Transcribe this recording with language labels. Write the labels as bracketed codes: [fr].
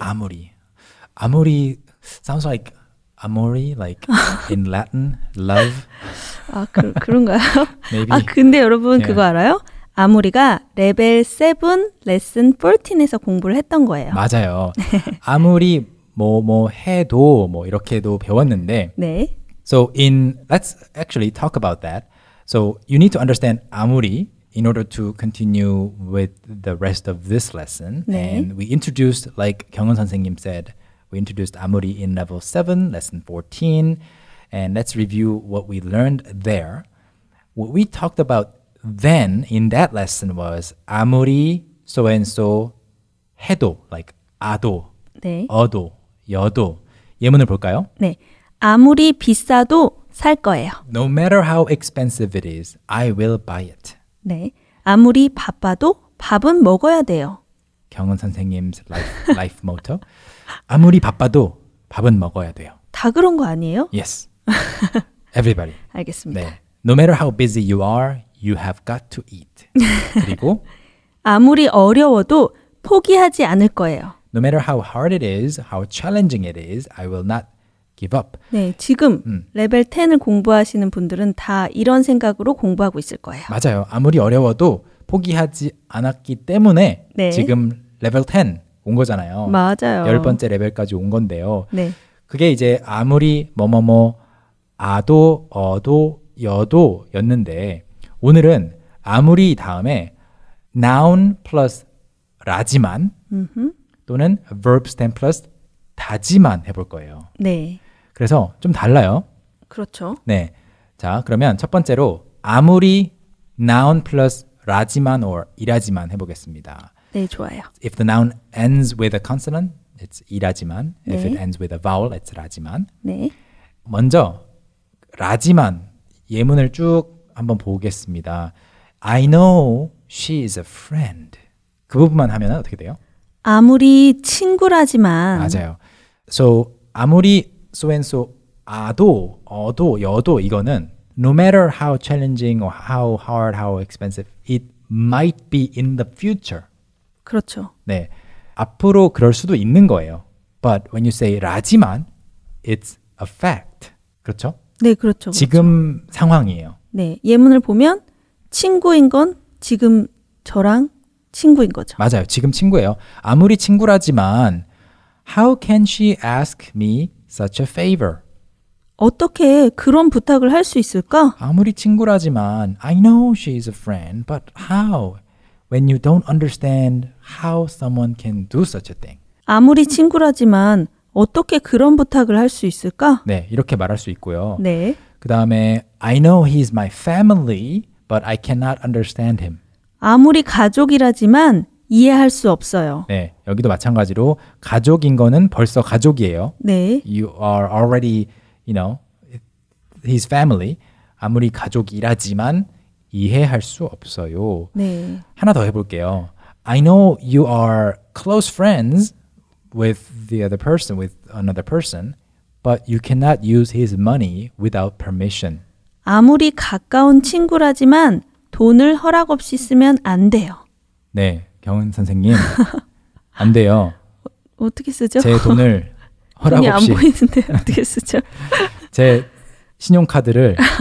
[en] 아무리. 아무리 sounds like amore, like in Latin, love. [ko] 아, 그런가요? [en] Maybe. [ko] 아, 근데 여러분 [en] yeah. [ko] 그거 알아요? 아무리가 레벨 7 레슨 14에서 공부를 했던 거예요. 맞아요. 아무리 뭐뭐 해도 뭐 이렇게도 배웠는데 네. [en] So in let's actually talk about that. So you need to understand 아무리 in order to continue with the rest of this lesson. [ko] 네. [en] And we introduced like 경은 선생님 said, we introduced 아무리 in level 7 lesson 14 and let's review what we learned there. What we talked about then in that lesson was 아무리 so and so 해도 like 아도 [ko] 네. 어도, 여도. 예문을 볼까요? 네. 아무리 비싸도 살 거예요. [en] No matter how expensive it is, I will buy it. [ko] 네. 아무리 바빠도 밥은 먹어야 돼요. [en] 경은 선생님's life motto. [ko] 아무리 바빠도 밥은 먹어야 돼요. 다 그런 거 아니에요? [en] Yes. Everybody. [ko] 알겠습니다. 네. [en] No matter how busy you are, you have got to eat. [ko] 그리고 아무리 어려워도 포기하지 않을 거예요. [en] No matter how hard it is, how challenging it is, I will not give up. [ko] 네, 지금 레벨 10을 공부하시는 분들은 다 이런 생각으로 공부하고 있을 거예요. 맞아요. 아무리 어려워도 포기하지 않았기 때문에 네. 지금 레벨 10 온 거잖아요. 맞아요. 열 번째 레벨까지 온 건데요. 네. 그게 이제 아무리 뭐뭐뭐 아도, 어도, 여도였는데 오늘은 아무리 다음에 noun plus 라지만 또는 verb stem plus 다지만 해볼 거예요. 네. 그래서 좀 달라요. 그렇죠. 네. 자, 그러면 첫 번째로 아무리 noun plus 라지만 or 이라지만 해보겠습니다. 네, 좋아요. [en] If the noun ends with a consonant, it's 이라지만. If 네. it ends with a vowel, it's 라지만. [ko] 네. 먼저 라지만 예문을 쭉 한번 보겠습니다. [en] I know she is a friend. [ko] 그 부분만 하면 어떻게 돼요? 아무리 친구라지만 맞아요. [en] So 아무리 so and so 아도 어도 여도 이거는 no matter how challenging or how hard how expensive it might be in the future. [ko] 그렇죠. 네. 앞으로 그럴 수도 있는 거예요. [en] But when you say 라지만 it's a fact. [ko] 그렇죠? 네, 그렇죠. 지금 그렇죠. 상황이에요. 네. 예문을 보면 친구인 건 지금 저랑 친구인 거죠. 맞아요. 지금 친구예요. 아무리 친구라지만 [en] How can she ask me such a favor? [ko] 어떻게 그런 부탁을 할 수 있을까? 아무리 친구라지만 [en] I know she is a friend, but how? When you don't understand how someone can do such a thing. [ko] 아무리 친구라지만 어떻게 그런 부탁을 할 수 있을까? 네, 이렇게 말할 수 있고요. 네. 그 다음에 [en] I know he is my family, but I cannot understand him. [ko] 아무리 가족이라지만 이해할 수 없어요. 네, 여기도 마찬가지로 가족인 거는 벌써 가족이에요. 네. [en] You are already, you know, his family. [ko] 아무리 가족이라지만 이해할 수 없어요. 네. 하나 더 해볼게요. [en] I know you are close friends with the other person, with another person, but you cannot use his money without permission. [ko] 아무리 가까운 친구라지만 돈을 허락 없이 쓰면 안 돼요. 네, 경은 선생님. 안 돼요. 어떻게 쓰죠? 제 돈을 허락 돈이 없이. 돈이 안 보이는데 어떻게 쓰죠? 제 신용카드를